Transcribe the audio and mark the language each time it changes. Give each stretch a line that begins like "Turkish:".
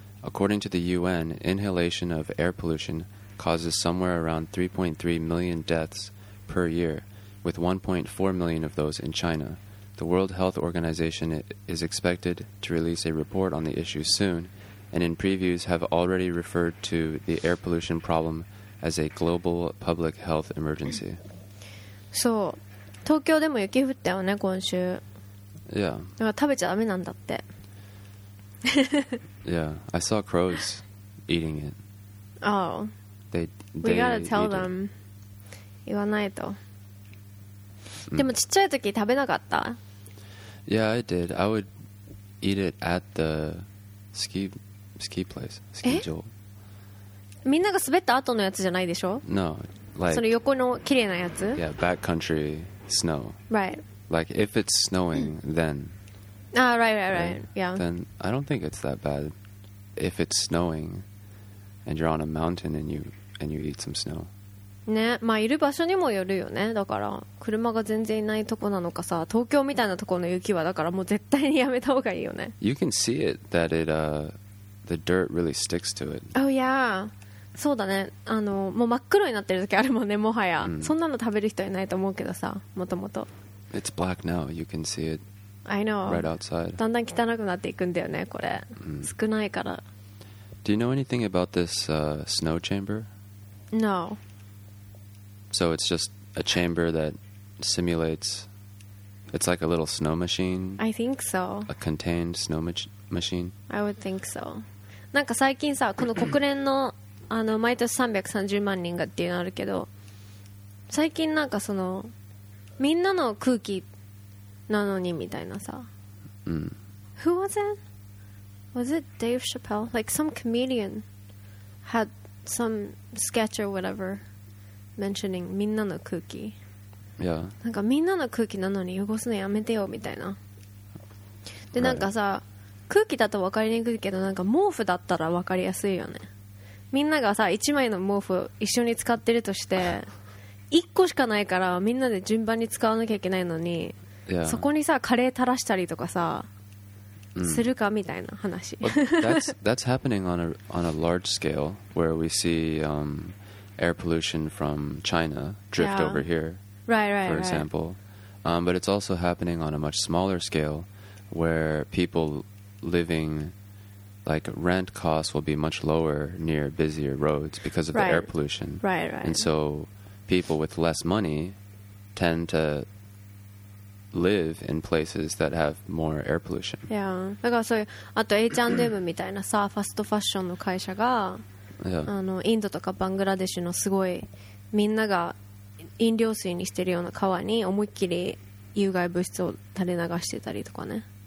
English: According to the UN, inhalation of air pollution causes somewhere around 3.3 million deaths per year, with 1.4 million of those in China. The World Health Organization is expected to release a report on the issue soon, and in previews have already referred to the air pollution problem as a global public health emergency.
Japanese: So, Tokyo でも雪降ったよね、今週。
English: Yeah.
Japanese: だから食べちゃダメなんだって。
English: Yeah, I saw crows eating it. Oh. They we gotta tell them.
Japanese: 言わないと。でもちっちゃい時食べなかった。
English: Yeah, I did. I would eat it at the ski place, ski 場。
Japanese: みんなが滑った後のやつじゃないでしょ。
English: No, like
Japanese: その横の綺麗なやつ。
English: Yeah, backcountry snow. Right. Like, if it's snowing, then... Ah, right, yeah. Then I don't think it's that bad if it's snowing and you're on a mountain and you eat some snow.
Japanese: ね、まあいる場所にもよるよね。だから車が全然いないとこなのかさ、東京みたいなところの雪はだからもう絶対にやめた方がいいよね。
English: You can see it that it, the dirt really sticks to it. Oh, yeah.
Japanese: そうだね。あの、もう真っ黒になってる時あるもんね、もはや。 Mm. そんなの食べる人いないと思うけどさ、もともと。
English: It's black now. You can see it. I know. Right outside.
Japanese: だんだん汚くなっていくんだよね、これ。少ないから。
English: Do you know anything about this snow chamber? No. So it's just a chamber that simulates... It's like a little snow machine? I think so. A contained snow machine? I would think so.
Japanese: なんか最近さ、この国連の、あの、毎年330万人がっていうのあるけど、最近なんかその、みんなの空気なのにみたいなさ。
English: Who was it? Was it Dave Chappelle? Like some comedian had some sketch or whatever mentioning
Japanese: みんなの空気。
English: Yeah.
Japanese: なんかみんなの空気なのに汚すのやめてよみたいな。で、なんかさ、空気だと分かりにくいけど、なんか毛布だったら分かりやすいよね。みんながさ、一枚の毛布一緒に使ってるとして、1個しかないからみんなで順番に使わなきゃいけないのに、
English: yeah.
Japanese: そこにさカレー垂らしたりとかさ、するかみたいな話。
English: Well, that's happening on a large scale where we see air pollution from China drift yeah. over here, right, for example. But it's also happening on a much smaller scale where people living like rent costs will be much lower near busier roads because of right. the air pollution. Right. And so... People with less money tend to live in places that have more air pollution. Yeah.
Japanese: だからそういう、あと H&M みたいなさ、ファストファッションの会社が、
English: yeah.
Japanese: あの、インドとかバングラデシュのすごいみんなが飲料水にしてるような川に思いっきり有害物質を垂れ流してたりとかね。